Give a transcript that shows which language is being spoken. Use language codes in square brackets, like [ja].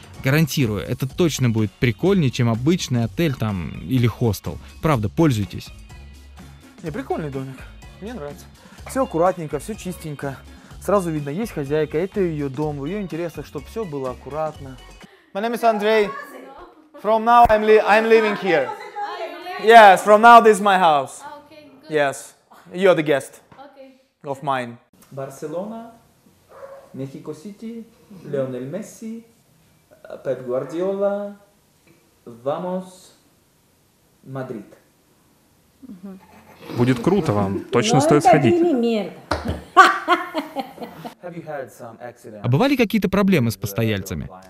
[ru] Гарантирую, это точно будет прикольнее, чем обычный отель там или хостел. Правда, пользуйтесь. Не, прикольный домик. Мне нравится. Все аккуратненько, все чистенько. Сразу видно, есть хозяйка, это ее дом, в ее интересах, чтобы все было аккуратно. [en] My name is Andrei. From now I'm living here. Yes, from now this is my house. Yes, you're the guest of mine. [ru] Барселона, Мехико Сити, Леонель Месси, Пеп Гвардиола, Vamos, Мадрид. Будет круто вам. Точно стоит сходить. А бывали какие-то проблемы с постояльцами?